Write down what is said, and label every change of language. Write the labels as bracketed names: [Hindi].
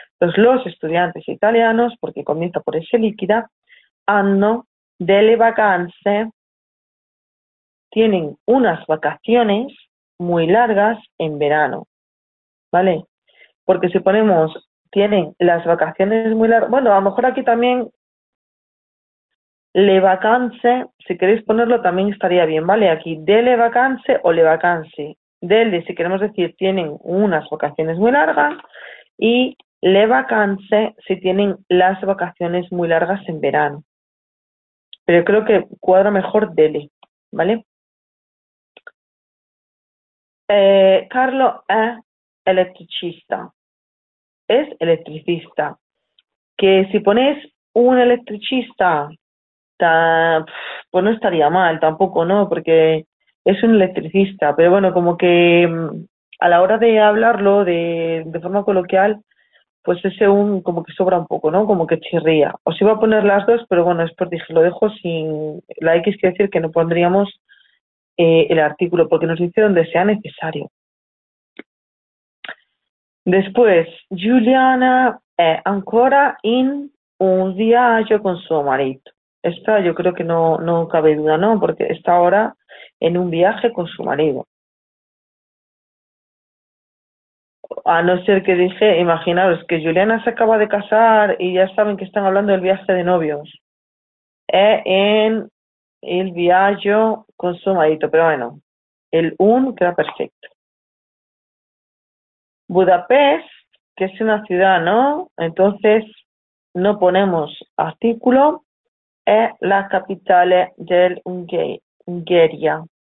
[Spanish] Pues los estudiantes italianos, porque comienza por S líquida, hanno delle vacanze, tienen unas vacaciones muy largas en verano, ¿vale? Porque si ponemos, tienen las vacaciones muy largas, bueno, a lo mejor aquí también, le vacanze, si queréis ponerlo también estaría bien, ¿vale? [Italian] Aquí, delle vacanze o le vacanze. [Spanish] Delle, si queremos decir, tienen unas vacaciones muy largas, y le vacanze, si tienen las vacaciones muy largas en verano. Pero creo que cuadra mejor delle, ¿vale? [Italian] Carlo è elettricista. [Spanish] Es electricista. Que si ponéis un electricista, pues no estaría mal tampoco, ¿no? Porque es un electricista. Pero bueno, como que a la hora de hablarlo de forma coloquial, pues ese un como que sobra un poco, ¿no? Como que chirría. Os iba a poner las dos, pero bueno, es porque dije, lo dejo sin la X, quiere decir que no pondríamos el artículo, porque nos dice donde sea necesario. [Italian] Después, Giuliana è ancora in un viaggio con suo marito. [Spanish] Esta yo creo que no cabe duda, ¿no? Porque está ahora en un viaje con su marido. A no ser que dije, imaginaros que Giuliana se acaba de casar y ya saben que están hablando del viaje de novios. [Italian] È in il viaggio con suo marito. [Spanish] Pero bueno, el un queda perfecto. Budapest, que es una ciudad, ¿no? Entonces, no ponemos artículo. Es la capital de Hungría.